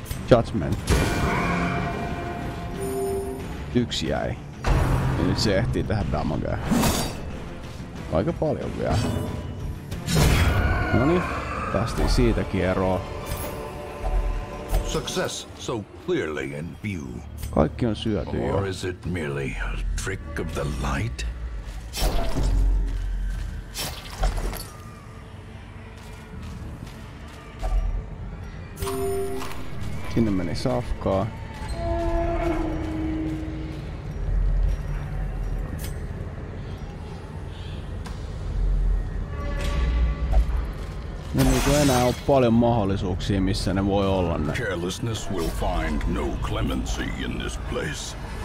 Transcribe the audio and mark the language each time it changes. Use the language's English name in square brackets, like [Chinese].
[English] Judgment. [Finnish] Yksi jäi. Ja nyt se ehtii tähän damagea. Aika paljon vielä. Noni, päästiin siitäkin eroon. [English] Success so clearly in view. [Finnish] Kaikki on syöty jo. [English] Or is it merely a trick of the light? [Finnish] Sinne meni safkaa. Enää on paljon mahdollisuuksia, missä ne voi olla ne. [English] Carelessness will find no clemency in this place.